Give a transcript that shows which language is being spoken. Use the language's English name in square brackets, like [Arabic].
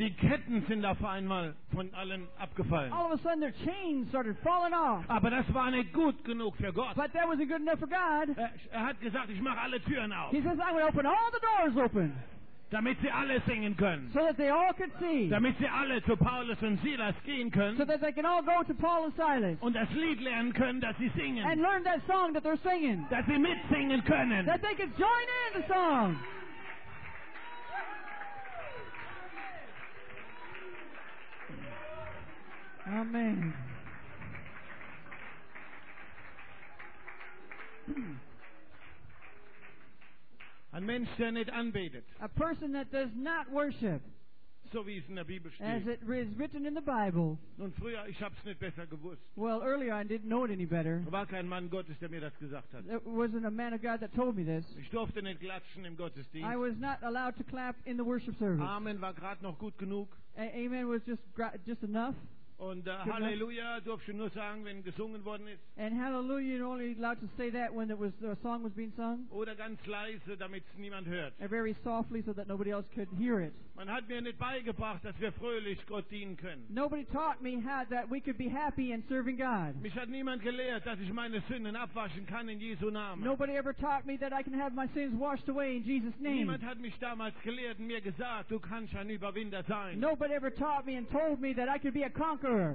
[German] Die Ketten sind auf einmal von allen abgefallen. [English] All of a sudden their chains started falling off. [German] Aber das war nicht gut genug für Gott. [English] But that wasn't good enough for God. [German] Er hat gesagt, ich mache alle Türen auf. [English] He says, I'm going to open all the doors open. [German] Damit sie alle singen können. [English] So that they all could see. [German] Damit sie alle zu Paulus und Silas gehen können. [English] So that they can all go to Paul and Silas. [German] Und das Lied lernen können, das sie singen. [English] And learn that song that they're singing. [German] Dass sie mitsingen können. [English] That they can join in the song. Amen. [German] Ein Mensch, der nicht anbetet. [English] A person that does not worship. [German] So wie es in der Bibel steht. [English] As it is written in the Bible. [German] Nun früher, ich hab's nicht besser gewusst. [English] Well, earlier I didn't know it any better. [German] War kein Mann Gottes, der mir das gesagt hat. [English] It wasn't a man of God that told me this. [German] Ich durfte nicht klatschen im Gottesdienst. [English] I was not allowed to clap in the worship service. [German] Amen war gerade noch gut genug. [English] Amen was just enough. [German] Und Halleluja durfst du nur sagen, wenn gesungen worden ist. [English] And Hallelujah, you're only allowed to say that when the song was being sung. [German] Oder ganz leise, damit es niemand hört. [English] And very softly, so that nobody else could hear it. [German] Man hat mir nicht beigebracht, dass wir fröhlich Gott dienen können. [English] Nobody taught me how that we could be happy in serving God. [German] Mich hat niemand gelehrt, dass ich meine Sünden abwaschen kann in Jesu Namen. [English] Nobody ever taught me that I can have my sins washed away in Jesus' name. [German] Niemand hat mich damals gelehrt und mir gesagt, du kannst ein Überwinder sein. [English] Nobody ever taught me and told me that I could be a conqueror.